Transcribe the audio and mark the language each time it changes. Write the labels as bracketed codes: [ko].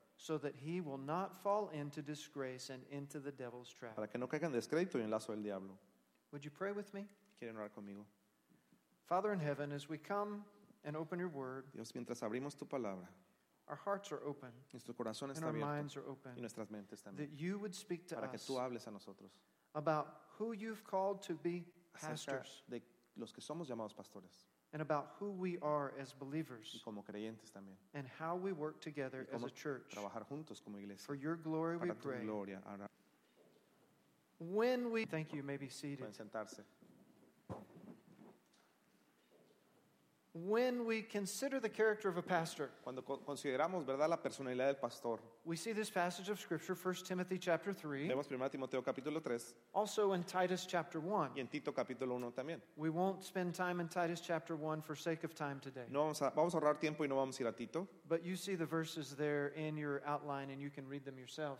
[en] So that he will not fall into disgrace and into the devil's trap. [es] Para que no caiga en descrédito y en lazo del diablo. [en] Would you pray with me? [es] ¿Quieren orar conmigo? [en] Father in heaven, as we come and open your word, [es] Dios, mientras abrimos tu palabra, [en] our hearts are open, [es] nuestro corazón está [en] and our [es] abierto, [en] minds are open, [es] y nuestras mentes también, [en] that you would speak to [es] para [en] us [es] que tú hables a nosotros, [en] about who you've called to be pastors. [es] De los que somos llamados pastores. [en] and about who we are as believers, [es] y como creyentes también, [en] and how we work together [es] y como [en] as a church. [es] Trabajar juntos como iglesia. [en] For your glory, [es] para [en] we pray. [es] Tu gloria, ahora. [en] When we thank you, may be seated. [es] Pueden sentarse. [en] When we consider the character of a pastor, [es] cuando consideramos, ¿verdad?, la personalidad del pastor, [en] we see this passage of Scripture, 1 Timothy chapter 3, [es] vemos 1 Timoteo capítulo 3, [en] also in Titus chapter 1. [es] Y en Tito capítulo 1 también. [en] We won't spend time in Titus chapter 1 for sake of time today. [es] No, vamos a ahorrar tiempo y no vamos a ir a Tito. [en] But you see the verses there in your outline and you can read them yourselves.